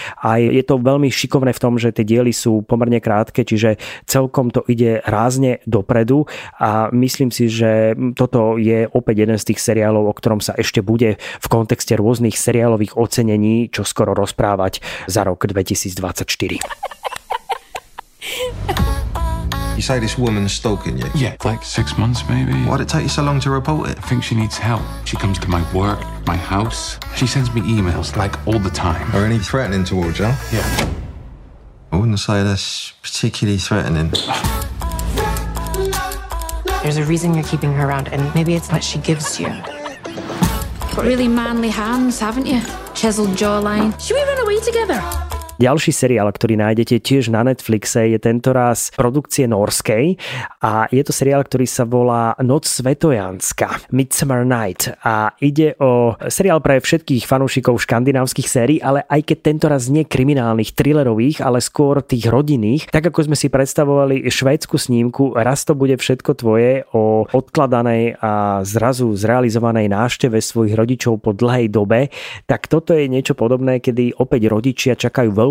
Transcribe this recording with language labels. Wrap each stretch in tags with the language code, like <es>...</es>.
<sk>A je to veľmi šikovné v tom, že tie diely sú pomerne krátke, čiže celkom to ide rázne dopredu. A myslím si, že toto je opäť jeden z tých seriálov, o ktorom sa ešte bude v kontexte rôznych seriálových ocenení čo skoro rozprávať za rok 2024.</sk> <en>You say this woman's stalking you? Yeah, like 6 months maybe. Why'd it take you so long to report it? I think she needs help. She comes to my work, my house. She sends me emails, like, all the time. Are any threatening towards you? Yeah. I wouldn't say that's particularly threatening. There's a reason you're keeping her around, and maybe it's what she gives you. Really manly hands, haven't you? Chiseled jawline. Should we run away together?</en> <sk>Ďalší seriál, ktorý nájdete tiež na Netflixe, je tentoraz produkcie norskej a je to seriál, ktorý sa volá Noc svetojanska, Midsummer Night, a ide o seriál pre všetkých fanúšikov škandinávskych sérií, ale aj keď tentoraz nie kriminálnych, thrillerových, ale skôr tých rodinných, tak ako sme si predstavovali švédsku snímku Raz to bude všetko tvoje, o odkladanej a zrazu zrealizovanej návšteve svojich rodičov po dlhej dobe, tak toto je niečo podobné, kedy opäť rodičia čakajú veľmi</sk>